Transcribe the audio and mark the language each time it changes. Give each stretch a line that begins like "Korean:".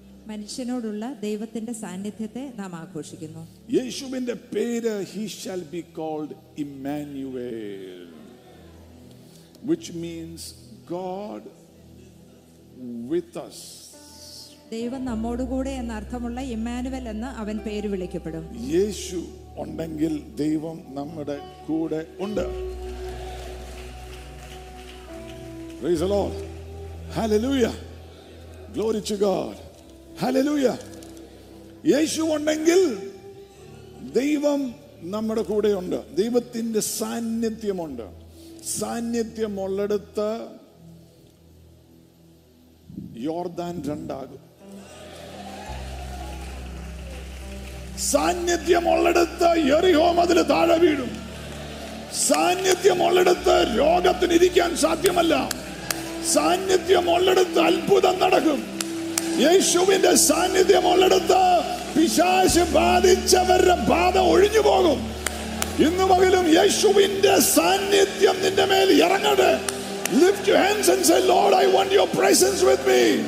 Malayalam: മനുഷ്യനോടുള്ള ദൈവത്തിന്റെ സാന്നിധ്യത്തെ നാം ആഘോഷിക്കുന്നു. യേശുവിന്റെ പേര്
English: he shall be called Emmanuel, which means God with us.
Malayalam: ദൈവം നമ്മോട് കൂടെ എന്ന അർത്ഥമുള്ള ഇമ്മാനുവൽ എന്ന് അവൻ പേര് വിളിക്കപ്പെടും. യേശു ഉണ്ടെങ്കിൽ ദൈവം നമ്മുടെ കൂടെ ഉണ്ട്.
English: Praise the Lord. Hallelujah. Glory to God. Hallelujah.
Malayalam: യേശു ഉണ്ടെങ്കിൽ ദൈവം നമ്മുടെ കൂടെ ഉണ്ട്. ദൈവത്തിന്റെ സാന്നിധ്യമുണ്ട്. സാന്നിധ്യം ഉള്ളിടത്ത് യോർദാൻ രണ്ടാകും. സാന്നിധ്യമുള്ളിടത്ത് യെറിഹോ മതിൽ താഴെ വീഴും. സാന്നിധ്യമുള്ളിടത്ത് രോഗത്തിന് ഇരിക്കാൻ സാധ്യമല്ല. സാന്നിധ്യമുള്ളിടത്ത് അത്ഭുതം നടക്കും. യേശുവിന്റെ സാന്നിധ്യമുള്ളിടത്ത് പിശാച് ബാധിച്ചവരുടെ ബാധ ഒഴിഞ്ഞു പോകും. ഇന്നു പകലും യേശുവിന്റെ സാന്നിധ്യം നിന്റെ മേൽ ഇറങ്ങട്ടെ.
English: Lift your hands and say, Lord, I want your presence with me.